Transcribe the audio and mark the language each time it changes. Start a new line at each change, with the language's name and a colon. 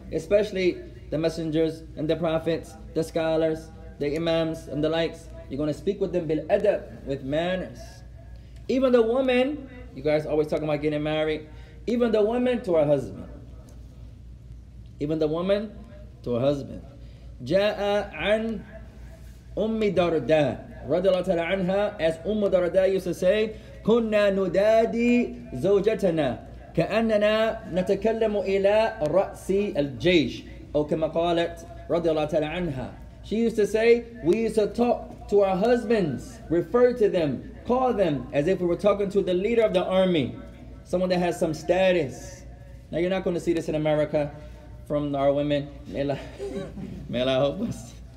English: Especially the messengers and the prophets, the scholars, the imams and the likes. You're going to speak with them bil adab, with manners. Even the woman, you guys always talking about getting married. Even the woman to her husband. Even the woman to her husband.
Arabic: جاء عن أم درداء رضي الله تعالى عنها. As أم درداء
English: used to say,
Arabic: كنا ندادي زوجتنا كأننا نتكلم إلى رأس الجيش. أو كما قالت رضي الله تعالى عنها.
English: She used to say, we used to talk to our husbands, refer to them, call them as if we were talking to the leader of the army, someone that has some status. Now you're not going to see this in America. From our women, may Allah help us.